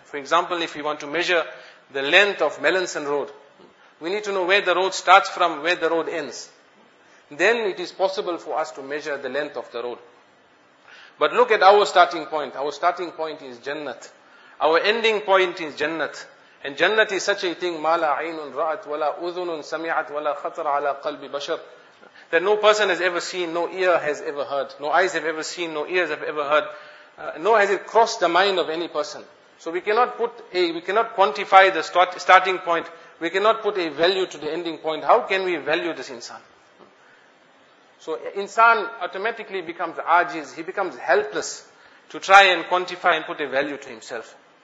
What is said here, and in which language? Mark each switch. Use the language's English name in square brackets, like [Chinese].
[English] For example, if you want to measure the length of Melanson Road, we need to know where the road starts from, where the road ends. Then it is possible for us to measure the length of the road. But look at our starting point. Our starting point is Jannat. Our ending point is Jannat. And Jannat is such a thing, [Arabic] مَا لَا عَيْنٌ رَأَتْ وَلَا أُذُنٌ سَمِعَتْ وَلَا خَطَرَ عَلَى قَلْبِ بَشَرٍ. [English] That no person has ever seen, no ear has ever heard, no eyes have ever seen, no ears have ever heard, nor has it crossed the mind of any person. So we cannot quantify the starting point, we cannot put a value to the ending point. How can we value this insan? So insan automatically becomes ajiz, he becomes helpless to try and quantify and put a value to himself.